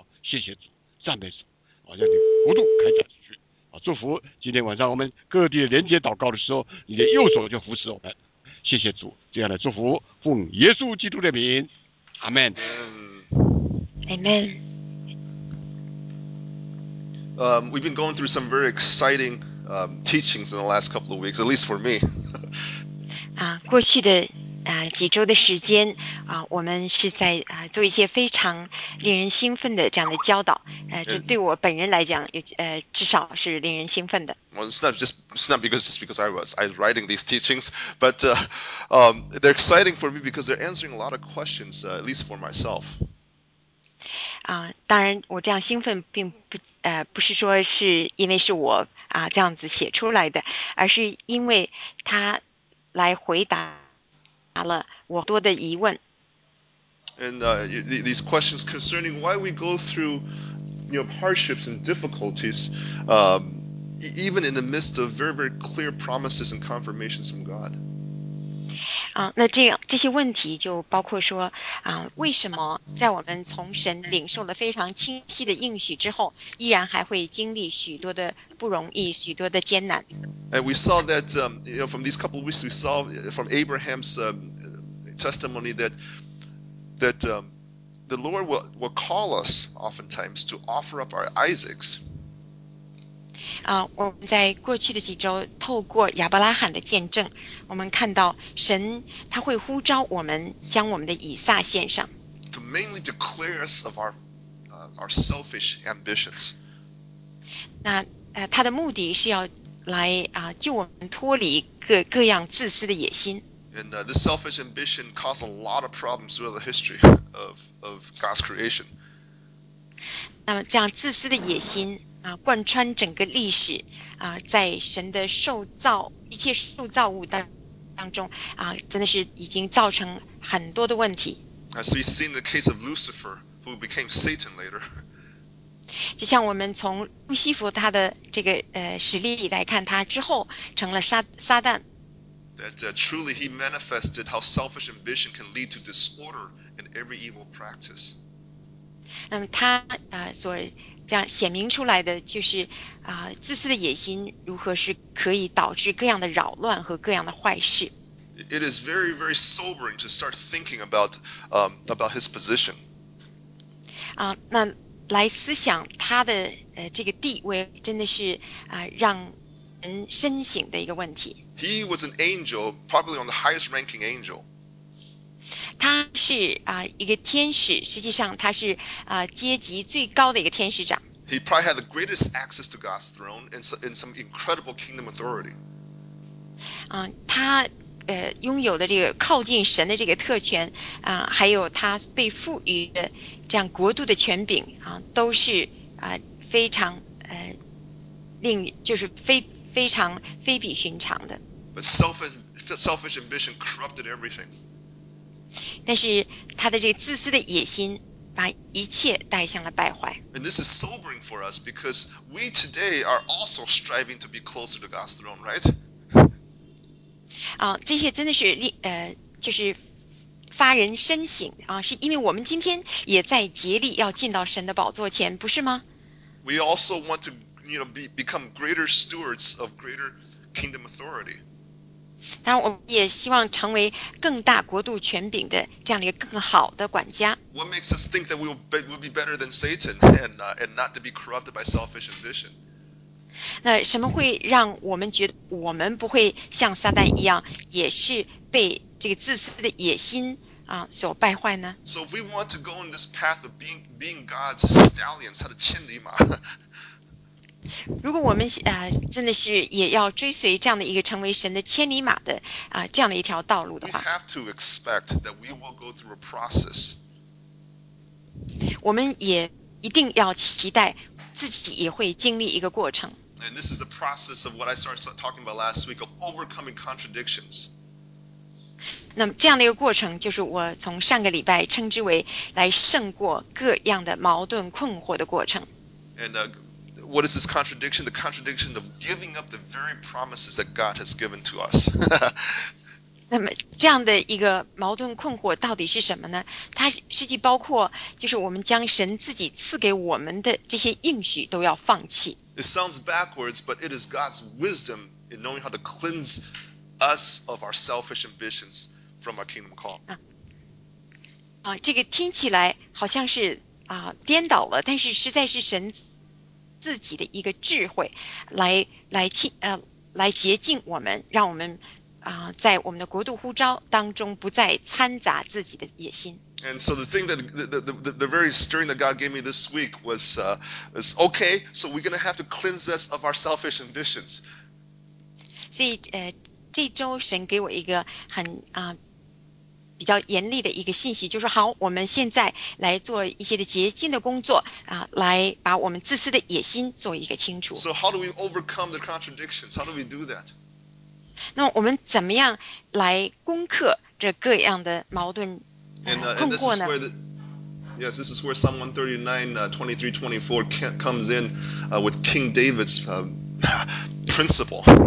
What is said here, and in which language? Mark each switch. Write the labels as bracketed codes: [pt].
[zh] 谢谢主，赞美主。让你国度开展出去。祝福今天晚上我们各地的连接祷告的时候，你的右手就扶持我们。谢谢主，这样的祝福奉耶稣基督的名，阿门。 [en] Amen. We've been going through some very exciting teachings in the last couple of weeks, at least for me. [zh] 过去的几周的时间我们是在做一些非常令人兴奋的这样的教导，这对我本人来讲，至少是令人兴奋的。 [en] Well, it's not because I was writing these teachings, but they're exciting for me because they're answering a lot of questions, at least for myself. [zh] 当然，我这样兴奋并不是说是因为是我这样子写出来的，而是因为他来回答了我多的疑问。 [en] And these questions concerning why we go through, you know, hardships and difficulties, even in the midst of very, very clear promises and confirmations from God. [zh] 那这些问题就包括说为什么在我们从神领受了非常清晰的应许之后，依然还会经历许多的不容易，许多的艰难。 [en] And we saw that, you know, from these couple of weeks, we saw from Abraham's testimony that the Lord will call us oftentimes to offer up our Isaacs. [zh] 我们在过去的几周，透过亚伯拉罕的见证，我们看到神他会呼召我们将我们的以撒献上。 [en] To mainly declare us of our selfish ambitions. [zh] 那他的目的是要来救我们脱离各样自私的野心。 [en] And this selfish ambition caused a lot of problems throughout the history of God's creation. [zh] 那么这样自私的野心贯穿整个历史在神的受造一切受造物当中真的是已经造成很多的问题。 [en] So you've seen the case of Lucifer, who became Satan later. [zh] 就像我们从路西弗他的这个实例来看，他之后成了撒旦。 [en] That truly he manifested how selfish ambition can lead to disorder in every evil practice. [zh] 那么他所这样显明出来的就是自私的野心如何是可以导致各样的扰乱和各样的坏事。 [en] It is very, very sobering to start thinking about his position. [zh] 那来思想他的这个地位真的是让人深省的一个问题。 [en] He was an angel, probably on the highest ranking angel. [zh] 他是一个天使，实际上他是阶级最高的一个天使长。 [en] He probably had the greatest access to God's throne and some incredible kingdom authority. [zh] 他拥有的这个靠近神的这个特权啊，还有他被赋予的这样国度的权柄啊，都是非常令就是非比寻常的。 [en] But selfish ambition corrupted everything. [zh] 但是他的这个自私的野心把一切带向了败坏。 [en] And this is sobering for us because we today are also striving to be closer to God's throne, right? [zh] 这些真的是就是发人深省啊，是因为我们今天也在竭力要进到神的宝座前，不是吗？ [en] We also want to, you know, become greater stewards of greater kingdom authority. [zh] 当然，我们也希望成为更大国度权柄的这样的一个更好的管家。 [en] What makes us think that we'll be better than Satan and not to be corrupted by selfish ambition? [zh] 那什么会让我们觉得我们不会像撒旦一样，也是被这个自私的野心所败坏呢？ [en] So if we want to go in this path of being God's stallions, [zh] 他的千里马。如果我们真的是也要追随这样的一个成为神的千里马的这样的一条道路的话， [en] We have to expect that we will go through a process. [zh] 我们也一定要期待自己也会经历一个过程。 [en] And this is the process of what I started talking about last week of overcoming contradictions. [zh] 那么这样的一个过程就是我从上个礼拜称之为来胜过各样的矛盾困惑的过程。 [en] And what is this contradiction? The contradiction of giving up the very promises that God has given to us. [zh] 那么这样的一个矛盾困惑到底是什么呢？它实际包括就是我们将神自己赐给我们的这些应许都要放弃。 [en] It sounds backwards, but it is God's wisdom in knowing how to cleanse us of our selfish ambitions from our kingdom call. [zh] 这个听起来好像是颠倒了，但是实在是神自己的一个智慧来洁净我们，让我们在我们的国度呼召当中不再掺杂自己的野心。 [en] And so the thing that the very stirring that God gave me this week was okay, so we're going to have to cleanse us of our selfish ambitions. [zh] 所以这周神给我一个很比较严厉的一个信息，就是好，我们现在来做一些的洁净的工作来把我们自私的野心做一个清除。 [en] So how do we overcome the contradictions? How do we do that? [zh] 那我们怎么样来攻克这各样的矛盾困惑呢？ [en] Yes, this is where Psalm 139, 23-24 comes in with King David's principle.